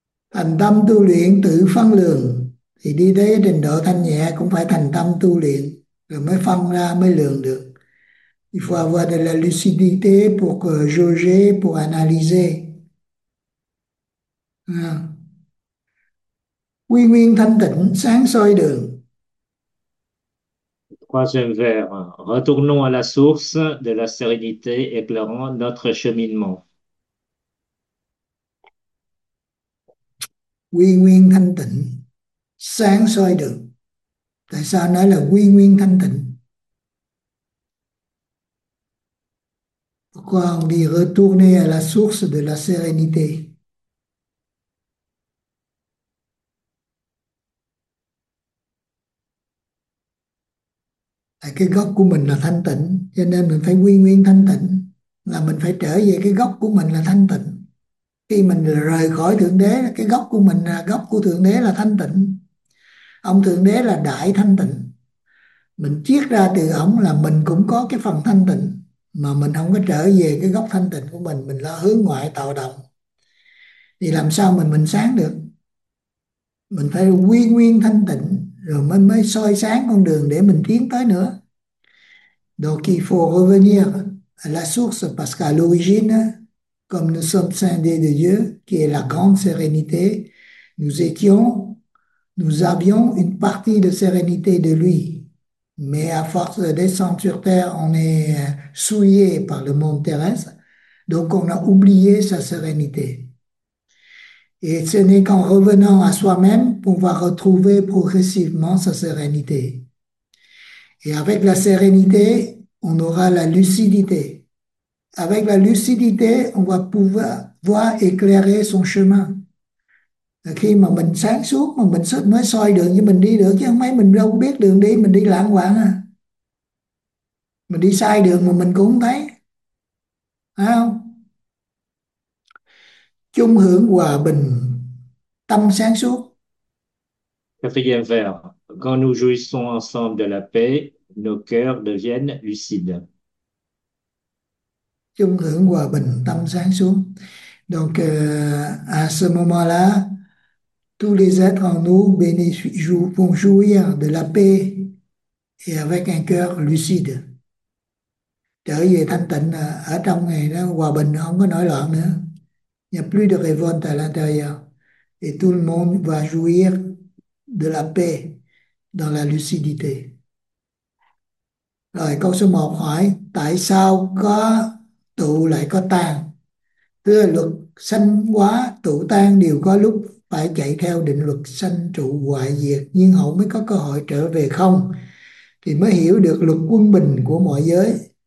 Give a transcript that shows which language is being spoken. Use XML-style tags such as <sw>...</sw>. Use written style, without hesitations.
<vi>Thành tâm tu luyện tự phân lượng thì đi tới trình độ thanh nhẹ cũng phải thành tâm tu luyện rồi mới phân ra, mới lượng được.</vi> <fr>Il faut avoir de la lucidité pour jauger, pour analyser.</fr> <vi>Quy nguyên thanh tịnh sáng soi đường.</vi> <fr>Troisième vers, retournons à la source de la sérénité éclairant notre cheminement.</fr> <vi>Quy nguyên thanh tịnh sáng soi đường. Tại sao nói là quy nguyên thanh tịnh?</vi> <fr>Pourquoi on dit retourner à la source de la sérénité?</fr> <vi>Cái gốc của mình là thanh tịnh, cho nên mình phải quy nguyên thanh tịnh, là mình phải trở về cái gốc của mình là thanh tịnh. Khi mình rời khỏi thượng đế, cái gốc của mình là gốc của thượng đế là thanh tịnh. Ông thượng đế là đại thanh tịnh, mình chiết ra từ ổng là mình cũng có cái phần thanh tịnh, mà mình không có trở về cái gốc thanh tịnh của mình là hướng ngoại tạo động, thì làm sao mình sáng được. Mình phải quy nguyên thanh tịnh rồi mới soi sáng con đường để mình tiến tới nữa.</vi> <fr>Donc il faut revenir à la source, parce qu'à l'origine, comme nous sommes scindés de Dieu, qui est la grande sérénité, nous avions une partie de sérénité de lui. Mais à force de descendre sur terre, on est souillé par le monde terrestre, donc on a oublié sa sérénité. Et ce n'est qu'en revenant à soi-même qu'on va retrouver progressivement sa sérénité. Et avec la sérénité, on aura la lucidité. Avec la lucidité, on va pouvoir voir éclairer son chemin.</fr> <vi>Khi mà mình sáng suốt, mà mình mới soi đường cho mình đi được, chứ không mấy mình đâu biết đường đi, mình đi lảng vảng à. Mình đi sai đường mà mình cũng không thấy. Phải không? Chung hưởng hòa bình, tâm sáng suốt.</vi> <fr>Quatrième vers, quand nous jouissons ensemble de la paix, nos cœurs deviennent lucides.</fr> <vi>Chung hưởng hòa bình, tâm sáng suốt.</vi> <fr>Donc, à ce moment-là, tous les êtres en nous vont jouir de la paix et avec un cœur lucide.</fr> <vi>Trở về thanh tịnh, ở trong này nó hòa bình, không có nổi loạn nữa.</vi> <fr>Il n'y a plus de révolte à l'intérieur. Et tout le monde va jouir de la paix dans la lucidité.</fr> <vi>Rồi, câu số 1 hỏi, tại sao có tụ lại có tan? Tức là luật sanh hóa tụ tan đều có lúc phải chạy theo định luật sanh trụ hoại diệt, nhưng họ mới có cơ hội trở về không, thì mới hiểu được luật quân bình của mọi giới.</vi>